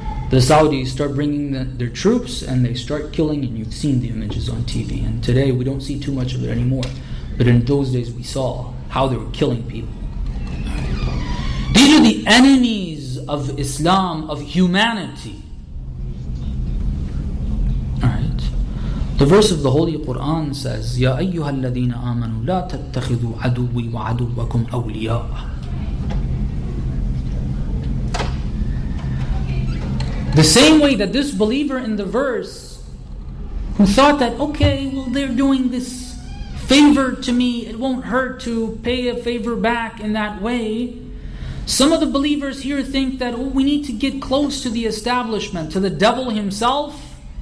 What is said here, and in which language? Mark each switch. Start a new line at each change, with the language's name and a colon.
English: The Saudis start bringing their troops and they start killing, and you've seen the images on TV. And today we don't see too much of it anymore. But in those days we saw how they were killing people. These are the enemies of Islam, of humanity. Alright. The verse of the Holy Quran says,
Arabic: يَا أَيُّهَا الَّذِينَ آمَنُوا لَا تَتَّخِذُوا عَدُوِّي وَعَدُوَّكُمْ أَوْلِيَاءَ.
English: The same way that this believer in the verse, who thought that, okay, well, they're doing this favor to me, it won't hurt to pay a favor back in that way. Some of the believers here think that, oh, we need to get close to the establishment, to the devil himself.